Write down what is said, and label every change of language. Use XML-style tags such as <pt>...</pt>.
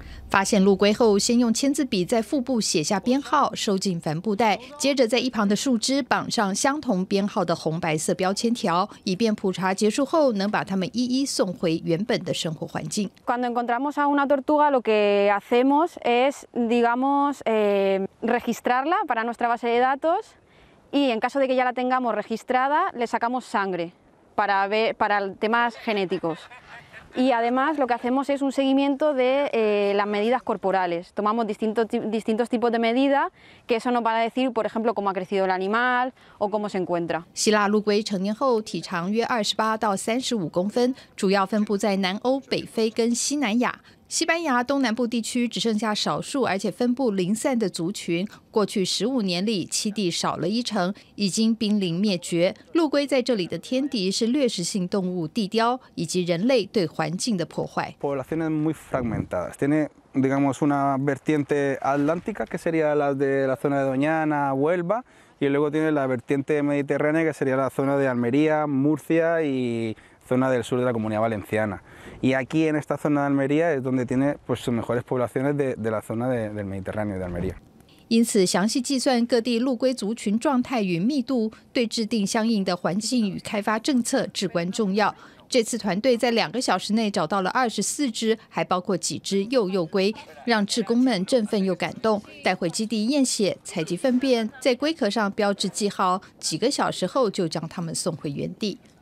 <zh>发现陆龟后，先用签字笔在腹部写下编号，收进帆布袋，接着在一旁的树枝绑上相同编号的红白色标签条，以便普查结束后能把它们一一送回原本的生活环境。</zh> <es>Cuando encontramos a una tortuga, lo que hacemos es, digamos, registrarla para nuestra base de datos, y en caso de que ya la tengamos registrada, le sacamos sangre para ver para temas genéticos. Y además lo que hacemos es un seguimiento de las medidas corporales. Tomamos distintos tipos de medidas que eso nos va a decir, por ejemplo, cómo ha crecido el animal o cómo se encuentra.</es> <zh>希腊陆龟成年后体长约28到35公分，主要分布在南欧、北非跟西南亚。西班牙东南部地区只剩下少数而且分布零散的族群，过去15年里栖地少了一成，已经濒临灭绝。陆龟在这里的天敌是掠食性动物地雕以及人类对环境的破坏。</zh> <es>Poblaciones muy fragmentadas. Tiene, digamos, una vertiente atlántica que sería la de la zona de Doñana, Huelva, y luego tiene la vertiente mediterránea que sería la zona de Almería, Murcia y zona del sur de la Comunidad Valenciana. Y aquí en esta zona de Almería es donde tiene pues sus mejores poblaciones de la zona del Mediterráneo de Almería.</es> <zh>因此，详细计算各地陆龟族群状态与密度，对制定相应的环境与开发政策至关重要。这次团队在2个小时内找到了24只，还包括几只幼幼龟，让志工们振奋又感动，带回基地验血、采集粪便，在龟壳上标志记号，几个小时后就将他们送回原地。</zh>